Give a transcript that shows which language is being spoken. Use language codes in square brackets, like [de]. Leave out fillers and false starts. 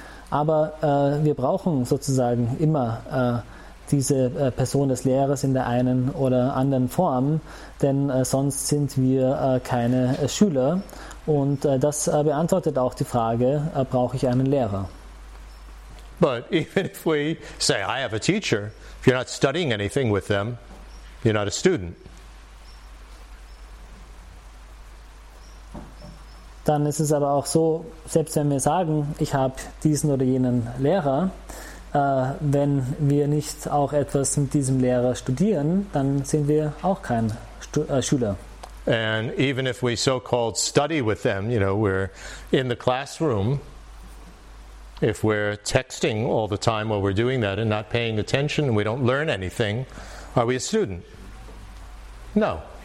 [de] Aber wir brauchen sozusagen immer diese Person des Lehrers in der einen oder anderen Form, denn sonst sind wir keine Schüler. Und das beantwortet auch die Frage, brauche ich einen Lehrer? [en] But even if we say, I have a teacher, if you're not studying anything with them, you're not a student. [de] Dann ist es aber auch so, selbst wenn wir sagen, ich habe diesen oder jenen Lehrer, wenn wir nicht auch etwas mit diesem Lehrer studieren, dann sind wir auch kein Schüler. [en] And even if we so-called study with them, you know, we're in the classroom, if we're texting all the time while we're doing that and not paying attention and we don't learn anything, are we a student? No.